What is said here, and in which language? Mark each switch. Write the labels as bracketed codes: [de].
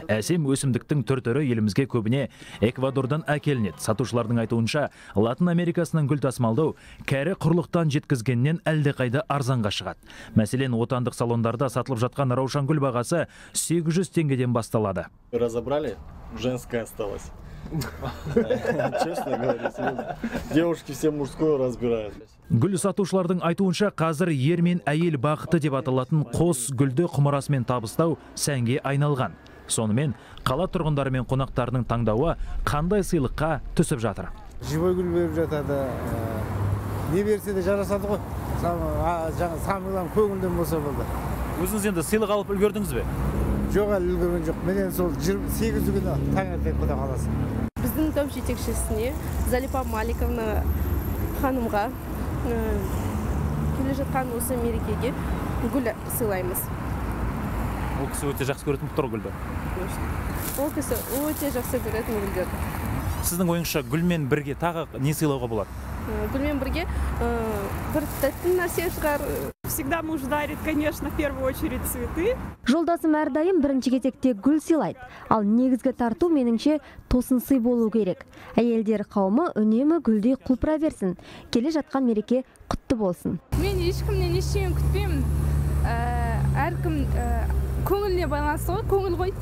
[kk] Әсем өсімдіктің түр-түрі елімізге көбіне Эквадордан әкелінеді. Сатушылардың айтуынша, Латын Америкасынан гүл тасымалдау кәрі құрлықтан жеткізгеннен әлдеқайда арзанға шығады. Мәселен, отандық салондарда сатылып жатқан раушан гүл бағасы 800 теңгеден басталады. [ru] Разобрали, женская осталась. Честно говоря, девушки все мужское разбирают. [kk] Гүл сатушылардың айтуынша, қазір ер мен әйел бақыты деп аталатын қос гүлді құмарасымен табыстау сәнге айналған. Сонымен қала тұрғындары мен қонақтарының таңдауы қандай сыйлыққа түсіп жатыр. Живой гүл беріп жатады. Не берсе де жарасады ғой. Самыдан көңілден болса болды. Өзіңіз енді сыйлық алып үлгердіңіз бе? Жоға үлгірмен жоқ, менен сол 28 күні таңертең құда қаласын. Біздің топ жетекшісіне, Залипа Маликовна ханымға келе жатқан осы мерекеге гүл сыйлаймыз. Ол кісі өте жақсы көретін тұр гүлді? Ол кісі өте жақсы көретін гүлдерді. сіздің ойыңызша гүлмен бірге тағы не сыйлауға болады? Гүлмен бірге бір тәтті нәрсе шығар. [ru] Всегда муж дарит, конечно, в первую очередь цветы. [kk] Жолдасым әрдайым бірінші кезекте гүл сыйлайды. Ал негізгі тарту меніңше тосын сый болу керек. Әйелдер қауымы үнемі гүлдей құлпыра берсін. Келе жатқан мереке құтты болсын. Мен ешкімнен ештеңе күтпеймін. Әркім көңіліне байланысты ғой, көңіл ғой.